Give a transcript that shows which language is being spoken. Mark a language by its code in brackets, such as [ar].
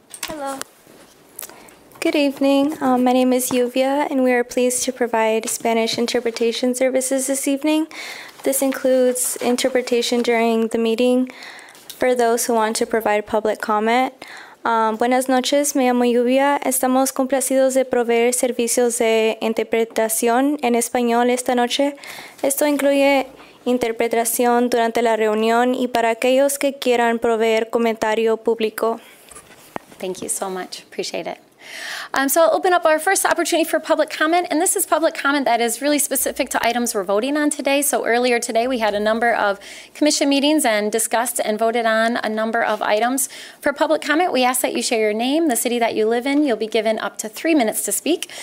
[en] Hello. Good evening. My name is Yuvia, and we are pleased to provide Spanish interpretation services this evening. This includes interpretation during the meeting for those who want to provide public comment. [es] Buenas noches, me llamo Yuvia. Estamos complacidos de proveer servicios de interpretación en español esta noche. Esto incluye interpretación durante la reunión y para aquellos que quieran proveer comentario público. [en] Thank you so much. Appreciate it. So I'll open up our first opportunity for public comment, and this is public comment that is really specific to items we're voting on today. So earlier today, we had a number of commission meetings and discussed and voted on a number of items. For public comment, we ask that you share your name, the city that you live in. You'll be given up to 3 minutes to speak.